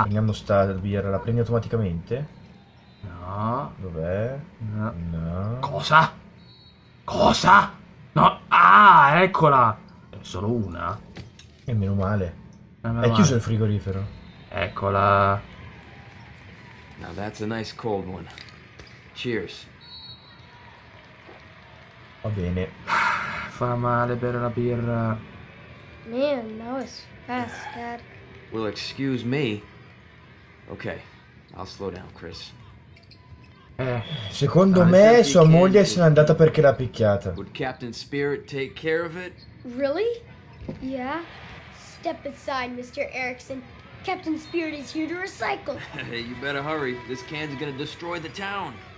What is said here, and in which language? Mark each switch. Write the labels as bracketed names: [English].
[Italian] Prendiamo sta birra, la prendi automaticamente? No. Dov'è? No. No. Cosa? Cosa? No. Ah, eccola. È solo una. E meno male. È chiuso il frigorifero. Eccola. [English] Now that's a nice cold one. Cheers. [Italian] Va bene. Fa male bere la birra. [English] Man, that was fast, Dad. Well, excuse me. Okay, I'll slow down, Chris. [Italian] Secondo me sua moglie se n'è andata perché l'ha picchiata. [English] Would Captain Spirit take care of it? Really? Yeah. Step aside, Mr. Erickson. Captain Spirit is here to recycle. Hey, you better hurry. This can's gonna destroy the town.